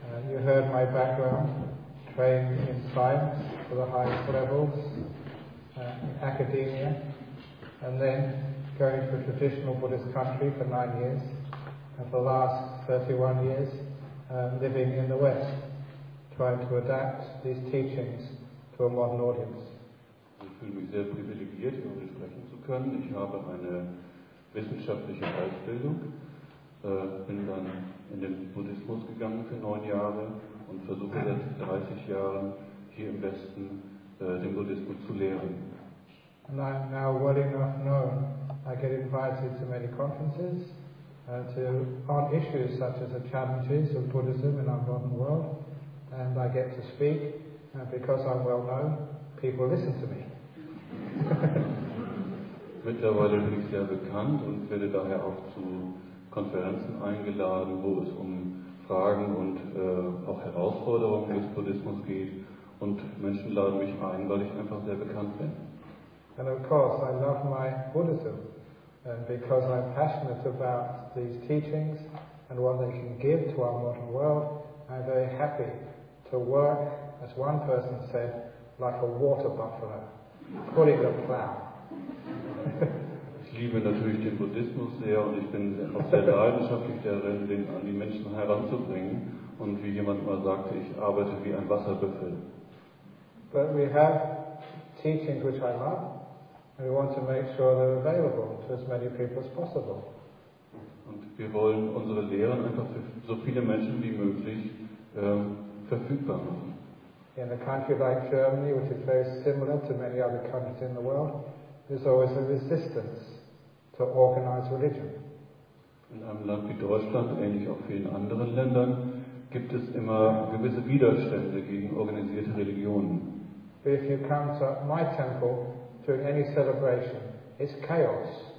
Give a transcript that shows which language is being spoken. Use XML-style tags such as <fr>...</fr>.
<en>You heard my background, trained in science for the highest levels, in academia, and then going to a traditional Buddhist country for 9 years, and for the last 31 years living in the West, trying to adapt these teachings to a modern audience.</en> <de>Ich fühle mich sehr privilegiert, hier heute sprechen zu können. Ich habe eine wissenschaftliche Ausbildung, bin dann in den Buddhismus gegangen für 9 Jahre und versuche seit 30 Jahren hier im Westen den Buddhismus zu lehren.</de> <en>And I'm now well enough known. I get invited to many conferences on issues such as the challenges of Buddhism in our modern world, and I get to speak, and because I'm well known, people listen to me.</en> <de>Mittlerweile bin ich sehr bekannt und werde daher auch zu Konferenzen eingeladen, wo es um Fragen und auch Herausforderungen des Buddhismus geht, und Menschen laden mich ein, weil ich einfach sehr bekannt bin.</de> <en>And of course, I love my Buddhism. And because I'm passionate about these teachings and what they can give to our modern world, I'm very happy to work, as one person said, like a water buffalo, pulling the plow.</en> <de>Ich liebe natürlich den Buddhismus sehr, und ich bin auch sehr leidenschaftlich darin, den an die Menschen heranzubringen. Und wie jemand mal sagte, ich arbeite wie ein Wasserbüffel.</de> <en>But we have teachings which I love. We want to make sure they're available to as many people as possible.</en> <de>Und wir wollen unsere Lehren einfach für so viele Menschen wie möglich verfügbar machen.</de> <en>In a country like Germany, which is very similar to many other countries in the world, there's always a resistance to organized religion.</en> <de>In einem Land wie Deutschland, ähnlich auch vielen anderen Ländern, gibt es immer gewisse Widerstände gegen organisierte Religionen.</de> <en>But if you come to my temple during any celebration, it's chaos.</en>